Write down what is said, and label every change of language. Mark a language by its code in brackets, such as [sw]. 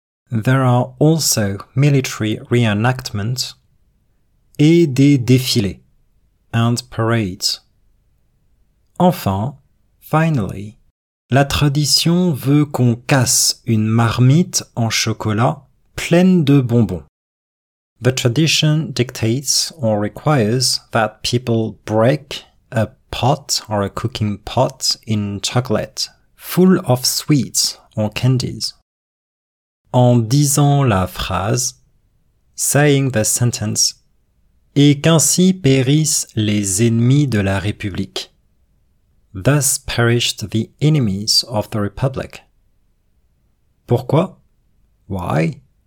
[en] There are also military reenactments [fr] et des défilés [en] and parades. [fr] Enfin, finally, la tradition veut qu'on casse une marmite en chocolat pleine de bonbons. [en] The tradition dictates or requires that people break a pot or a cooking pot in chocolate full of sweets or candies. [fr] En disant la phrase, [en] saying the sentence, [fr] et qu'ainsi périssent les ennemis de la République. [en] Thus perished the enemies of the Republic. Pourquoi? Why?